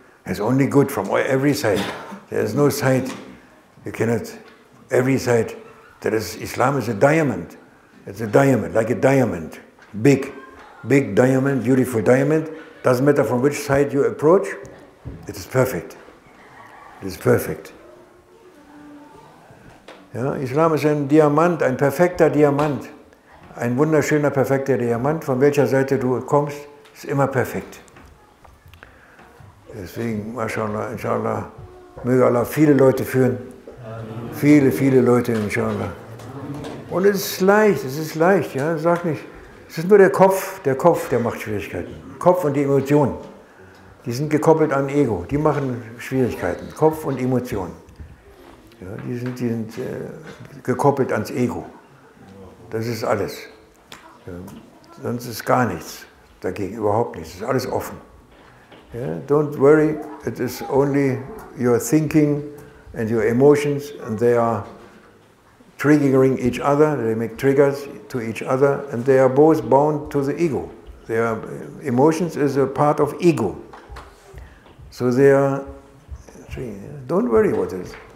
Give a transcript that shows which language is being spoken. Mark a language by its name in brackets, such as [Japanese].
[English] It's only good from every side. There's no side. You cannot, every side. There is, Islam is a diamond. It's a diamond, like a diamond. Big, big diamond, beautiful diamond. Doesn't matter from which side you approach, it is perfect. It is perfect. [German] Ja, Islam ist ein Diamant, ein perfekter Diamant. Ein wunderschöner, perfekter Diamant. Von welcher Seite du kommst, ist immer perfekt. Deswegen, mashallah, inshallah, möge Allah viele Leute führen. Viele, viele Leute, inshallah. Und es ist leicht, ja, sag nicht. Es ist nur der Kopf, der macht Schwierigkeiten. Kopf und die Emotionen, die sind gekoppelt an Ego, die machen Schwierigkeiten. Kopf und Emotionen, ja, die sind gekoppelt ans Ego. Das ist alles. Ja, sonst ist gar nichts dagegen, überhaupt nichts. Es ist alles offen. [English] Ja, don't worry, it is only your thinking and your emotions and they are triggering each other, they make triggers to each other, and they are both bound to the ego. Their emotions is a part of ego. So they are, don't worry what is.